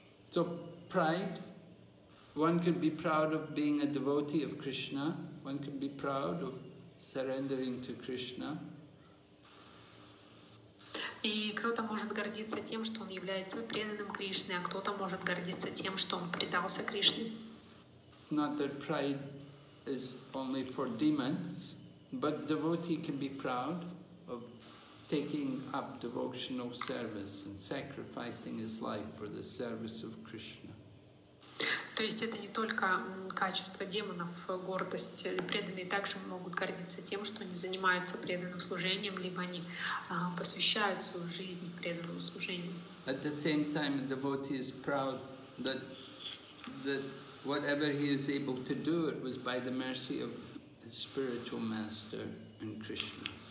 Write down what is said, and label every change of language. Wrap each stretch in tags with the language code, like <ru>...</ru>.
<en>So pride. One can be proud of being a devotee of Krishna. One can be proud of surrendering to Krishna.</en> <ru>И кто-то может гордиться тем, что он является преданным Кришне, а кто-то может гордиться тем, что он предался Кришне.</ru> <en>Not that pride is only for demons, but devotee can be proud of taking up devotional service and sacrificing his life for the service of Krishna.</en> <ru>То есть это не только качество демонов, гордость. Преданные также могут гордиться тем, что они занимаются преданным служением, либо они посвящают свою жизнь преданному служению.</ru> <en>At the same time, a devotee is proud that whatever he is able to do, it was by the mercy of his spiritual master and Krishna.</en>